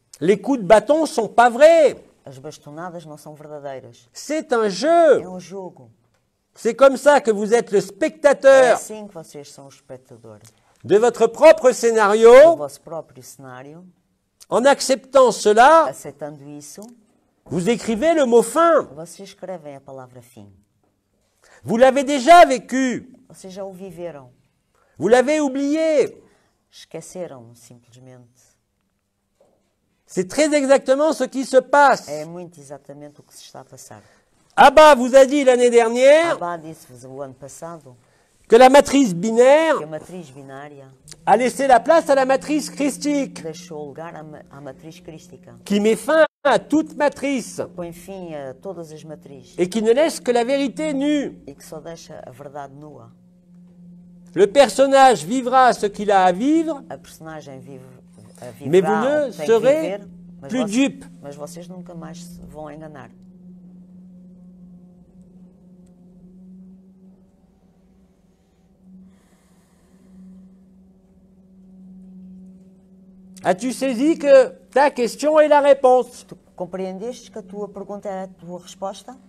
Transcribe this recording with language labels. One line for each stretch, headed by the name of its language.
French: Les coups de bâton ne sont pas vrais.
Portuguese: As bastonadas não são verdadeiras.
French: C'est un jeu.
Portuguese: É jogo.
French: C'est comme ça que vous êtes le spectateur.
Portuguese: É assim que vocês são os espectadores.
French: De votre propre scénario.
Portuguese: Do vosso próprio cenário.
French: En acceptant cela,
Portuguese: aceitando isso,
French: vous écrivez le mot fin.
Portuguese: Vocês escrevem a palavra fim.
French: Vous l'avez déjà vécu.
Portuguese: Vocês já o viveram.
French: Vous l'avez oublié.
Portuguese: Esqueceram, simplesmente.
French: C'est très exactement ce qui se passe.
Portuguese: É muito exatamente o que se está a passar.
French: Abba vous a dit l'année dernière.
Portuguese: Abba disse-vos o ano passado.
French: Que la matrice binaire
Portuguese: que a matriz binária
French: a laissé la place à la matrice christique.
Portuguese: Deixou lugar à matriz crística.
French: Qui met fin à toute matrice.
Portuguese: Põe fim a todas as matrizes.
French: Et qui ne laisse que la vérité nue.
Portuguese: E que só deixa a verdade nua.
French: Le personnage vivra ce qu'il a à vivre.
Portuguese: A personagem
French: vivra, mais vous ne serez plus dupe.
Portuguese: Mas vocês nunca mais vão enganar.
French: As-tu saisi que ta question est la réponse?
Portuguese: Tu compreendeste que a tua pergunta é a tua resposta?